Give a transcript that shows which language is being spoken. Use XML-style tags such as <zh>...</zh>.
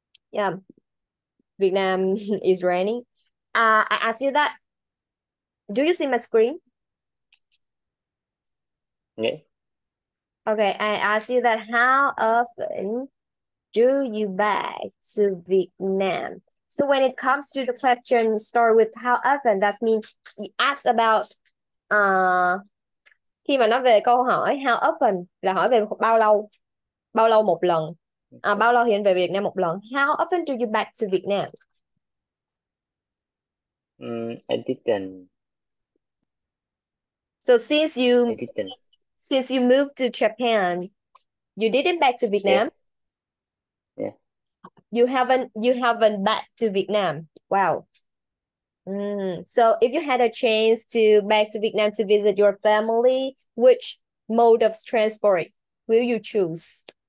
<en>Yeah, Việt Nam is raining. I ask you that. Do you see my screen? Okay, I ask you that. How often do you buy to Vietnam? So when it comes to the question, start with how often. That means you ask about</en> <vi>khi mà nó về câu hỏi how often là hỏi về bao lâu một lần. À, bao lâu thì anh về Việt Nam một lần?</vi> <en>How often do you back to Việt Nam? So I didn't. since you moved to Japan, you didn't back to Vietnam. You haven't back to Vietnam. Wow. So if you had a chance to back to Vietnam to visit your family, which mode of transport will you choose?</en>